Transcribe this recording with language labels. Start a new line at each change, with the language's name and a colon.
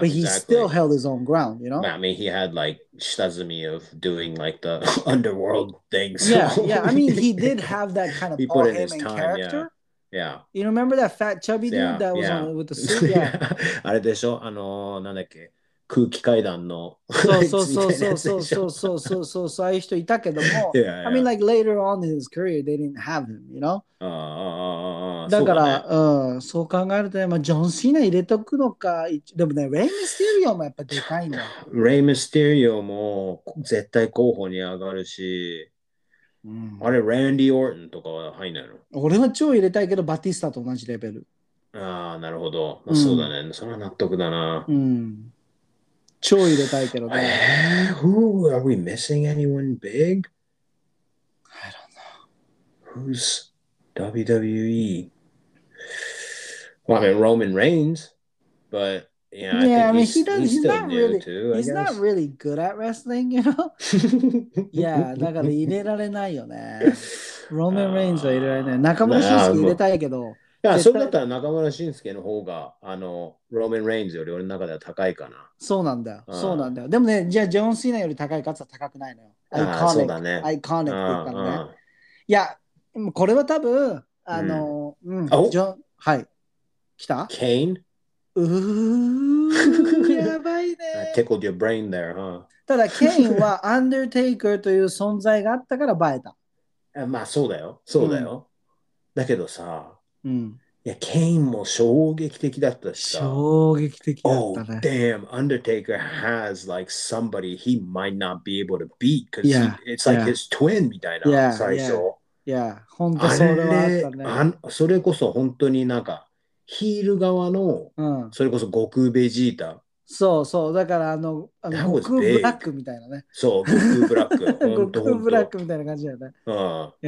English: But、exactly. he still held his own ground, you know? I mean, he had like shitazumi of doing like the underworld thing. So. Yeah, yeah. I mean, he did have that kind of he put in his time, character. Yeah. Yeah. You remember that fat chubby dude yeah, that was yeah. on with the suit? Yeah.
Japanese: あれでしょ?あの、なんだっけ?空気階段の。そうそうそうそうそうそうそうそうそうそうああいう人いたけども。
English: Yeah, yeah. I mean, like later on in his career, they didn't have him, you know? ああああ
Japanese: だから、そう考えると、まあ、ジョン・シーナ入れとくのか。でもね、レイ・ミステリオもやっぱでかいな。レイ・ミステリオも絶対候補に上がるし。あれ、ランディ・オートンとかは入んないの？俺は超入れたいけど、バティスタと同じレベル。ああ、なるほど。まあ、そうだね、うん。それは納得だな。うん。超入れたいけどね。
English: Who are we missing anyone big? I don't know. Who's WWE? Well, I mean, Roman Reigns. But, yeah, yeah I mean, he's still not new really, too, He's not really good at wrestling, you know? yeah,
Japanese: だから入れられないよね。Roman Reigns は入れられない。中村俊介入れたいけど。いや、それだったら中村慎介の方が、あの、ローメン・レインズより俺の中では高いかな。そうなんだよ。うん、そうなんだよ。でもね、じゃあ、ジョン・シーナより高いかつは高くないのよ。アイコニック。ね、アイコニックって言ったのね。いや、これは多分、あの、うん、うん、ジョン、はい。来た? ケイン? やばいね。
English: tickled your brain there, huh?
Japanese: ただ、ケインはアンダーテイカーという存在があったから映えた。まあ、そうだよ。そうだよ。うん、だけどさ、うん、いやケインも衝撃的だったしさ衝撃的だったね
English: Oh damn Undertaker has like somebody he might not be able to beat because、yeah, it's like、yeah. his twin
Japanese: みたいな
English: yeah,
Japanese: 最初いや本当それはあったねそれこそ本当になんかヒール側の、うん、それこそ悟空ベジータそうそうだからあの悟空ブラックみたいなねそう悟空ブラック悟空ブラックみたいな感じだよね、うん、